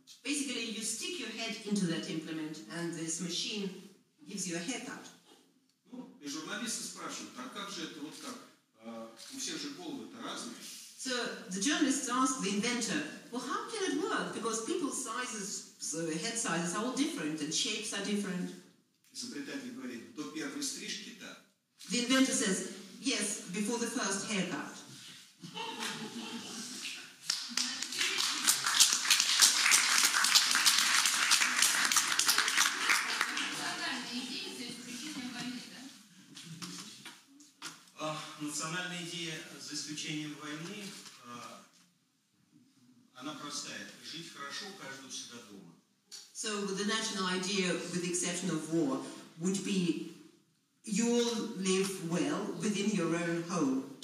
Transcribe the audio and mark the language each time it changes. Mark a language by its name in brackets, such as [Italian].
[English] Basically, you stick your head into that implement, and this machine gives you a haircut. [Russian] Ну, и журналисты спрашивают, а как же это вот так? У всех же головы-то разные. [English] So, the journalists ask the inventor, well, how can it work? Because people's sizes, so head sizes are all different, and shapes are different. [Russian] Изобретатель говорит, до первой стрижки-то. [English] The inventor says, yes, before the first haircut. [Russian] Национальная идея за исключением войны, она простая. Жить хорошо, каждый у себя дома. [English] So the national idea, with the exception of war, would be you all live well within your own home.